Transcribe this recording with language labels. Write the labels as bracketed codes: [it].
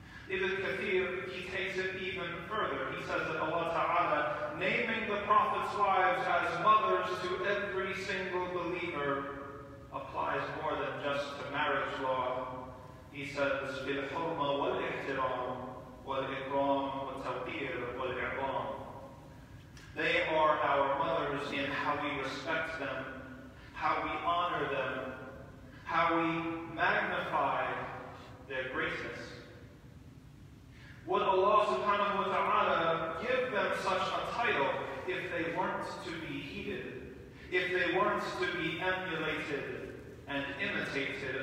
[en] Ibn Kathir, he takes it even further. He says that Allah Ta'ala, naming the Prophet's wives as mothers to every single believer, applies more than just to marriage law. He says, [ar] بِالْحُرْمَ وَالْإِحْتِرَامُ وَالْإِكْرَامُ وَالْتَوْقِيرُ وَالْإِعْظَامُ. [en] They are our mothers in how we respect them, how we honor them, how we magnify their greatness. Would Allah subhanahu wa ta'ala give them such a title if they weren't to be heeded, if they weren't to be emulated and imitated?